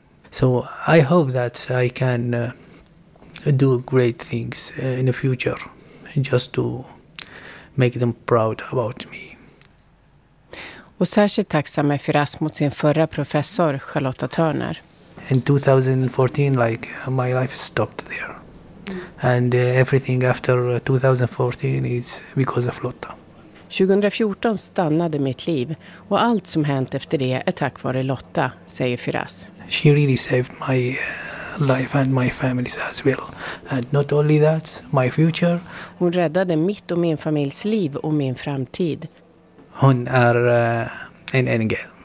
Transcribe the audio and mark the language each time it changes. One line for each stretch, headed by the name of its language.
English: So I hope that I can do great things in the future, just to make them proud about me.
Swedish: Och särskilt tacksam är Firas mot sin förra professor Charlotta Turner.
English: In 2014 like my life stopped there. And everything after 2014 is because of Lotta.
Swedish: 2014 stannade mitt liv och allt som hänt efter det är tack vare Lotta, säger Firas.
English: She really saved my life and my family's as well. And not only that, my future.
Swedish: Hon räddade mitt och min familjs liv och min framtid. Hon är en ängel.